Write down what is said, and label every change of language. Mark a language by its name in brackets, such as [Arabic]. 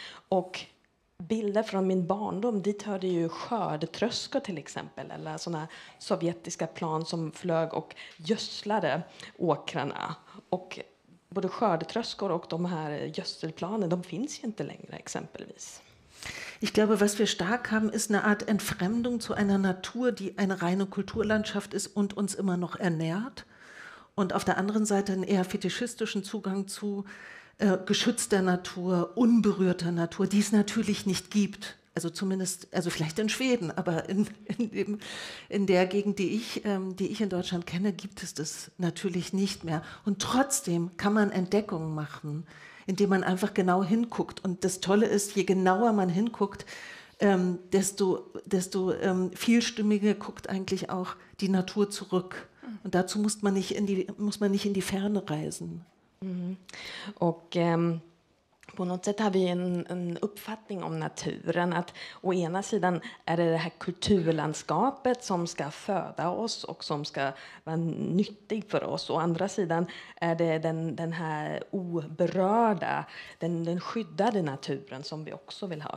[Swedish] Och bilder från min barndom, dit hörde ju skördetröskor till exempel, eller sådana sovjetiska plan som flög och gödslade åkrarna. Och både skördetröskor och de här gödselplanen, de finns ju inte längre exempelvis. [German] Ich glaube, was wir stark haben, ist eine Art Entfremdung zu einer Natur, die eine reine Kulturlandschaft ist und uns immer noch ernährt. Und auf der anderen Seite einen eher fetischistischen Zugang zu geschützter Natur, unberührter Natur, die es natürlich nicht gibt. Also zumindest, also vielleicht in Schweden, aber in der Gegend, die ich in Deutschland kenne, gibt es das natürlich nicht mehr. Und trotzdem kann man Entdeckungen machen, indem man einfach genau hinguckt. Und das Tolle ist, je genauer man hinguckt, desto vielstimmiger guckt eigentlich auch die Natur zurück. Und dazu muss man nicht in die Ferne reisen. Mm. [Swedish] Och på något sätt har vi en uppfattning om naturen, att å ena sidan är det här kulturlandskapet som ska föda oss och som ska vara nyttig för oss, och å andra sidan är det den här oberörda, den skyddade naturen som vi också vill ha.